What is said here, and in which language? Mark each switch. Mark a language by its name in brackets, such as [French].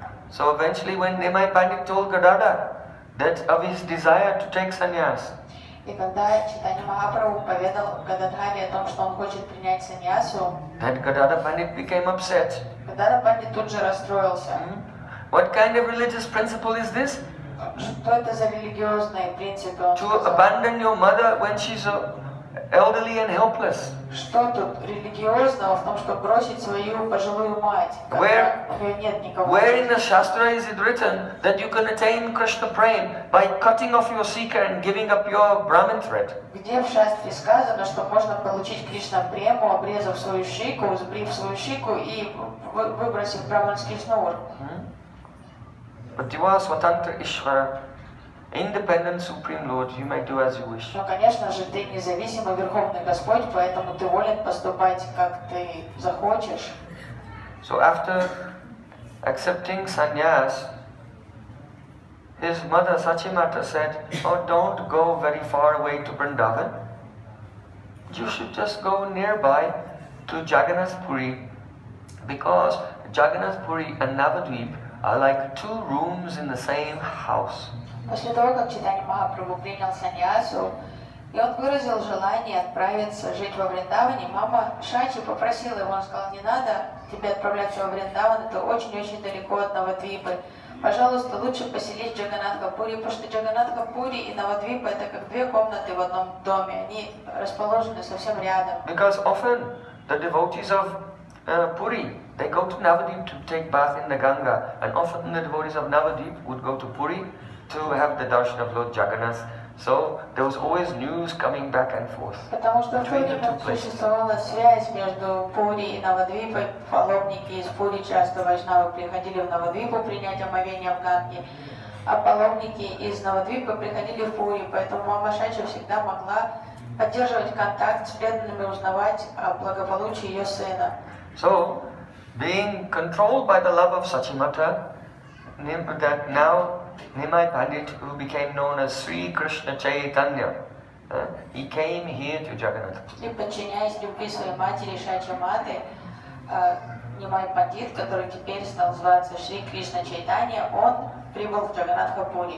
[English] So eventually when Nimai Pandit told Gadadhar that of his desire to take sannyas, [Russian] и когда Читания Махапрабху поведал Гададхаре о том, что он хочет принять саньясу, [English] then Gadadhar Pandit became upset. [Russian] Gadadhar Pandit тут же расстроился. Mm-hmm. [English] What kind of religious principle is this? [Russian] Что это за религиозные принципы? [English] To abandon your mother when she's elderly and helpless. [Russian] Что тут религиозного в том, чтобы бросить свою пожилую мать, [English] where, [Russian] когда у нее нет никого? [English] Where in the Shastra is it written that you can attain Krishna Prem by cutting off your seeker and giving up your Brahmin thread? [Russian] Где в Шастре сказано, что можно получить Кришна Прему, обрезав свою шику, сбрив свою шику и выбросив брахманский шнур? [English] But you are Swatantra Ishvara, independent Supreme Lord, you may do as you wish. [Russian] Но, конечно же, ты независимый Верховный Господь, поэтому ты волен поступать, как ты захочешь. [English] So after accepting sannyas, his mother Sachimata said, oh, don't go very far away to Vrindavan. You should just go nearby to Jagannath Puri, because Jagannath Puri and Navadvip are like two rooms in the same house. [Russian] После того, как Читания Махапрабху принял саньясу, и он выразил желание отправиться жить во Вриндаване, мама Шачи попросила его, он сказал, не надо тебе отправляться во Вриндаван, это очень-очень далеко от Навадвипы. Пожалуйста, лучше поселись в Джаганатхапури, потому что Джаганатхапури и Навадвипа — это как две комнаты в одном доме, они расположены совсем рядом. [English] Because often the devotees of Puri, they go to Navadvip to take bath in the Ganga, and often the devotees of Navadvip would go to Puri to have the darshan of Lord Jagannath So there was always news coming back and forth. [Russian] Потому что существовала связь между Пури и Навадвипой. Паломники из Пури часто вайшнавы приходили в Навадвипу принять омовение в Ганге, а паломники из Навадвипы приходили в Пури, поэтому мама Шача всегда могла поддерживать контакт с преданными, узнавать о благополучии ее сына. [English] So, being controlled by the love of Sachimata, that now Nimai Pandit, who became known as Sri Krishna Chaitanya, he came here to Jagannath. [Russian] И подчиняясь любви своей матери Шачиматы, Нимай Пандит, который теперь стал зваться Шри Кришна Чайтанья, он прибыл в Джаганатхапури.